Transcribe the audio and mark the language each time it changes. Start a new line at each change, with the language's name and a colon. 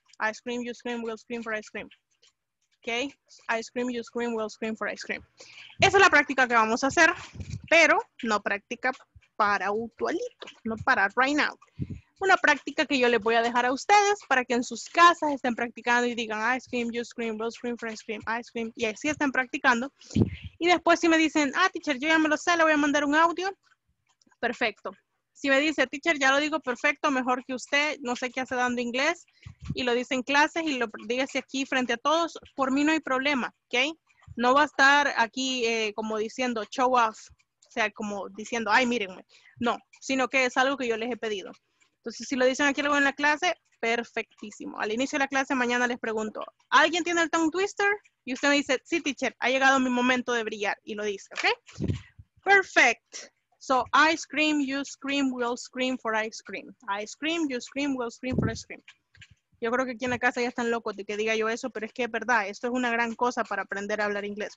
English: Ice cream, you scream, we all scream for ice cream.
Spanish: ¿Ok?
English: Ice cream, you scream, we all scream for ice cream.
Spanish: Esa es la práctica que vamos a hacer, pero no práctica para actualito, no para
English: right now.
Spanish: Una práctica que yo les voy a dejar a ustedes para que en sus casas estén practicando y digan
English: ice cream, you scream, we'll scream, fresh cream, ice cream.
Spanish: Y así estén practicando. Y después si me dicen, ah, teacher, yo ya me lo sé, le voy a mandar un audio. Perfecto. Si me dice, teacher, ya lo digo perfecto, mejor que usted, no sé qué hace dando inglés. Y lo dice en clases y lo diga así aquí frente a todos. Por mí no hay problema, ¿ok? No va a estar aquí como diciendo
English: show off.
Spanish: O sea, como diciendo, ay, mírenme. No, sino que es algo que yo les he pedido. Entonces, si lo dicen aquí luego en la clase, perfectísimo. Al inicio de la clase, mañana les pregunto, ¿alguien tiene el tongue twister? Y usted me dice, sí, teacher, ha llegado mi momento de brillar. Y lo dice, ¿ok? Perfect.
English: So, I scream, you scream, we'll scream for ice cream. I scream, you scream, we'll scream for ice cream.
Spanish: Yo creo que aquí en la casa ya están locos de que diga yo eso, pero es que es verdad, esto es una gran cosa para aprender a hablar inglés.